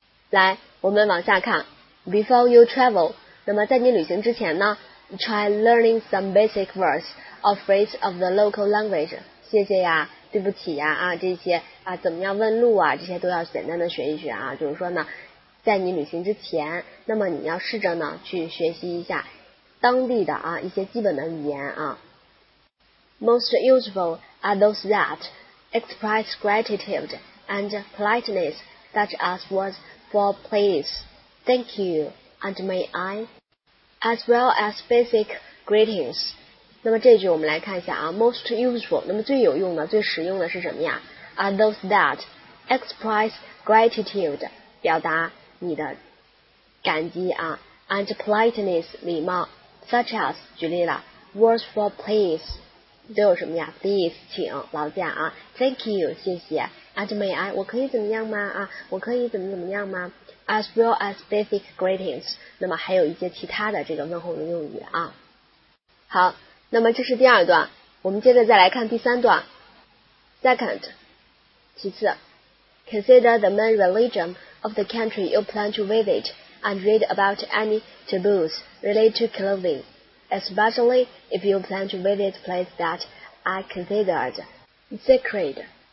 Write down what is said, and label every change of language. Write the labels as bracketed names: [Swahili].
[English] 来，我们往下看。Before you travel, [Chinese] 那么在你旅行之前呢 [English] ,try learning some basic words or phrases of the local language. [Chinese] 谢谢呀，对不起呀啊，这些啊怎么样问路啊，这些都要简单的学一学啊，就是说呢在你旅行之前，那么你要试着呢去学习一下当地的啊一些基本的语言啊。 [English] Most useful are those that express gratitude and politeness, such as words for please, thank you, and may I, as well as basic greetings. [Chinese] 那么这句我们来看一下啊， most useful, 那么最有用的最实用的是什么呀？ [English] are those that express gratitude, [Chinese] 表达你的感激啊 ，and politeness 礼貌 ，such as 举例了 ，words for please 都有什么呀 ？please 请劳驾啊 ，thank you 谢谢 ， [English] and may I [Chinese] 我可以怎么样吗啊？我可以怎么怎么样吗 ？ [English] as well as basic greetings， [Chinese] 那么还有一些其他的这个问候的用语啊。好，那么这是第二段，我们接着再来看第三段。 [English] Second， [Chinese] 其次 [English] ，consider the main religion。 of the country you plan to visit and read about any taboos related to clothing, especially if you plan to visit places that are considered sacred.